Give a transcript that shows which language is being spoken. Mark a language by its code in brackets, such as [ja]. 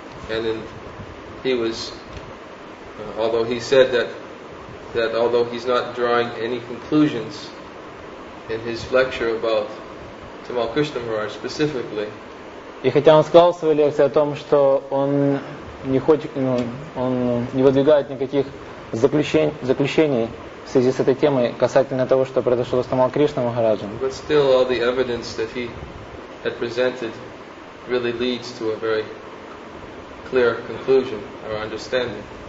[en] And then he was, although he said that although he's not drawing any conclusions in his lecture about Tamal Krishna Maharaj specifically. [ru] И хотя он сказал в своей лекции о том, что он не хочет, он не выдвигает никаких заключений в связи с этой темой касательно того, что произошло с Тамал Кришна Махараджем. [en] But still all the evidence that he had presented really leads to a very clear conclusion or understanding.